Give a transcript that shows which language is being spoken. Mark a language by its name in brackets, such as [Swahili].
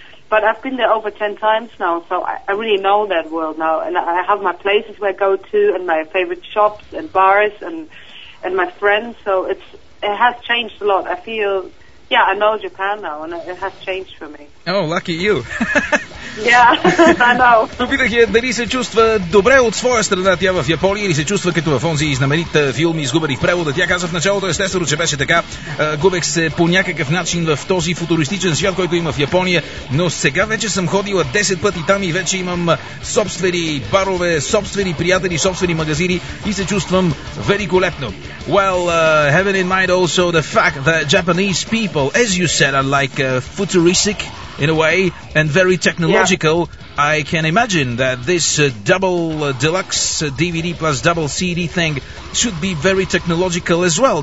[English] But I've been there over 10 times now, so I really know that world now. And I have my places where I go to and my favorite shops and bars and my friends. So it has changed a lot. I feel, I know Japan now, and it has changed for me. Oh, lucky you. Yeah, I know. [Bulgarian] Попитах я дали се чувства добре от своя страна тя в Япония или се чувства като в онзи знаменит филм Изгубени в превода. Тя каза в началото естествено, че беше така. Губех се по някакъв начин в този футуристичен свят, който има в Япония, но сега вече съм ходила 10 пъти там и вече имам собствени барове, собствени приятели, собствени магазини и се чувствам великолепно. [English] Well, have in mind also the fact that Japanese people, as you said, are like futuristic in a way, and very technological. Yeah. I can imagine that this double deluxe DVD plus double CD thing should be very technological as well.